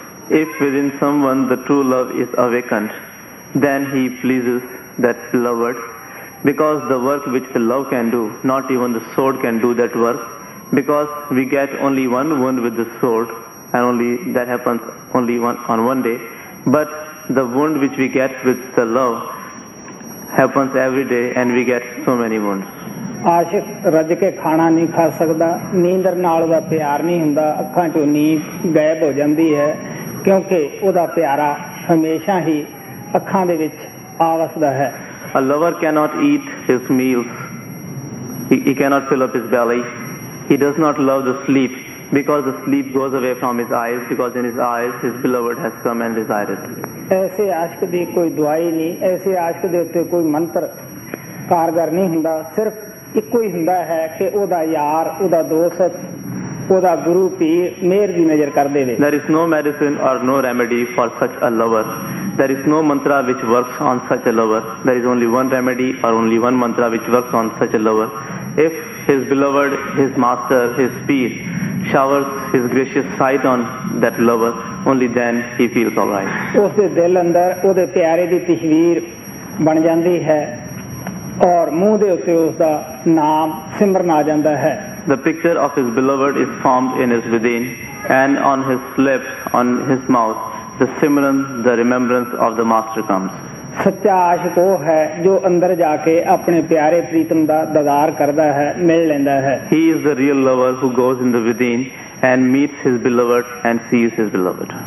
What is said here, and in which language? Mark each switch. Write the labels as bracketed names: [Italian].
[English] If with in someone the true love is awakened then he pleases that lover because the work which the love can do not even the sword can do that work because we get only one wound with the sword and only that happens only one on one day but the wound which we get with the love happens every day and we get so many wounds. [Punjabi] ਆਸ਼ਿਕ ਰੱਜ ਕੇ ਖਾਣਾ ਨਹੀਂ ਖਾ ਸਕਦਾ, ਨੀਂਦਰ ਨਾਲ ਉਹਦਾ ਪਿਆਰ ਨਹੀਂ ਹੁੰਦਾ, ਅੱਖਾਂ 'ਚੋਂ ਨੀਂਦ ਗਾਇਬ ਹੋ ਜਾਂਦੀ ਹੈ ਕਿਉਂਕਿ ਉਹਦਾ ਪਿਆਰਾ ਹਮੇਸ਼ਾ ਹੀ ਅੱਖਾਂ ਦੇ ਵਿੱਚ ਆ ਵਸਦਾ ਹੈ। [English] A lover cannot eat his meals, he cannot fill up his belly, he does not love the sleep because the sleep goes away from his eyes because in his eyes his beloved has come and desired. [Punjabi] ਐਸੇ ਆਸ਼ਿਕ ਦੀ ਕੋਈ ਦਵਾਈ ਨਹੀਂ, ਐਸੇ ਆਸ਼ਿਕ ਦੇ ਉੱਤੇ ਕੋਈ ਮੰਤਰ ਕਾਰਗਰ ਨਹੀਂ ਹੁੰਦਾ, ਸਿਰਫ ਇੱਕੋ ਹੀ ਹੁੰਦਾ ਹੈ ਕਿ ਉਹਦਾ ਯਾਰ, ਉਹਦਾ ਦੋਸਤ, ਉਹਦਾ ਗੁਰੂ ਪੀਰ ਮੇਰ ਦੀ ਨਜ਼ਰ ਕਰਦੇ ਨੇ। [English] There is no medicine or no remedy for such a lover. There is no mantra which works on such a lover. There is only one remedy or only one mantra which works on such a lover. If his beloved, his master, his peer showers his gracious sight on that lover, only then he feels all right. [Punjabi] ਉਸਦੇ ਦਿਲ ਅੰਦਰ ਉਹਦੇ ਪਿਆਰੇ ਦੀ ਤਸਵੀਰ ਬਣ ਜਾਂਦੀ ਹੈ ਔਰ ਮੂੰਹ ਦੇ ਉੱਤੇ ਉਸਦਾ ਨਾਮ ਸਿਮਰਨ ਆ ਜਾਂਦਾ ਹੈ. [English] The picture of his beloved is formed in his within and on his lips, on his mouth, the simran, the remembrance of the master comes. [Punjabi] ਸੱਚਾ ਆਸ਼ਿਕ ਉਹ ਹੈ ਜੋ ਅੰਦਰ ਜਾ ਕੇ ਆਪਣੇ ਪਿਆਰੇ ਪ੍ਰੀਤਮ ਦਾ ਦਦਾਰ ਕਰਦਾ ਹੈ, ਮਿਲ ਲੈਂਦਾ ਹੈ. [English] He is the real lover who goes in the within and meets his beloved and sees his beloved.